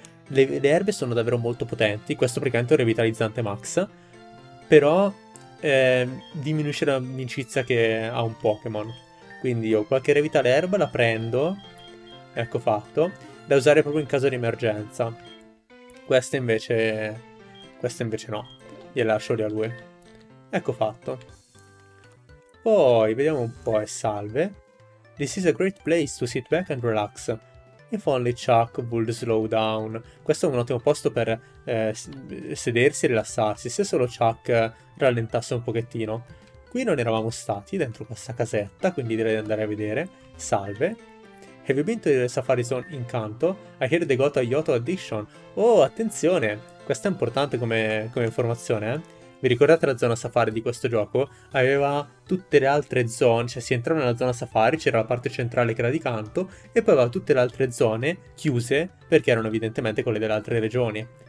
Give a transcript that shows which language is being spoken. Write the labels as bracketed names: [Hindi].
[Italian] Le erbe sono davvero molto potenti, questo praticamente è un revitalizzante max, però diminuisce l'amicizia che ha un Pokémon. Quindi ho qualche revitale erba, la prendo, ecco fatto, da usare proprio in caso di emergenza. Questa invece no, gliela lascio lì a lui. Ecco fatto. Poi, vediamo un po' e salve. [English] This is a great place to sit back and relax. If only Chuck would slow down. [Italian] Questo è un ottimo posto per sedersi e rilassarsi. Se solo Chuck rallentasse un pochettino. Qui non eravamo stati, dentro questa casetta, quindi direi di andare a vedere. Salve. [English] Have you been to the Safari Zone in Kanto? I hear they got a Yoto addition. [Italian] Oh, attenzione! Questa è importante come informazione, eh? Vi ricordate la zona Safari di questo gioco? Aveva tutte le altre zone, cioè si entrava nella zona Safari, c'era la parte centrale che era di Kanto, e poi aveva tutte le altre zone chiuse, perché erano evidentemente quelle delle altre regioni.